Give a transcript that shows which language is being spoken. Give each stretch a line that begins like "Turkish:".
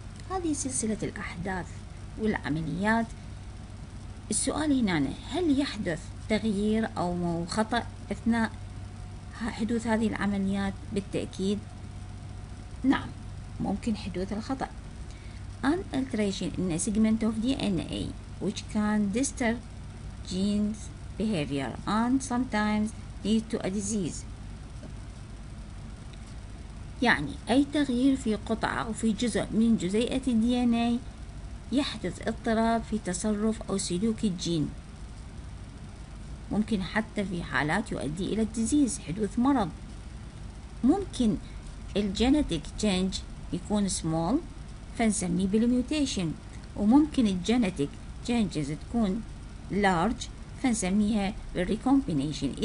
Arabic: هذه سلسلة الأحداث والعمليات. السؤال هنا، هل يحدث تغيير أو خطأ أثناء حدوث هذه العمليات؟ بالتأكيد نعم، ممكن حدوث الخطأ.
English: An alteration in a segment of DNA which can disturb genes behavior and sometimes lead to a disease.
Arabic: يعني أي تغيير في قطعة أو في جزء من جزيئة DNA يحدث اضطراب في تصرف أو سلوك الجين، ممكن حتى في حالات يؤدي إلى الديزيز، حدوث مرض. ممكن الجينيتك تشينج يكون سمول فنسميه بالميوتيشن، وممكن الجينيتك تشينجز تكون لارج فنسميها بالريكومبينيشن.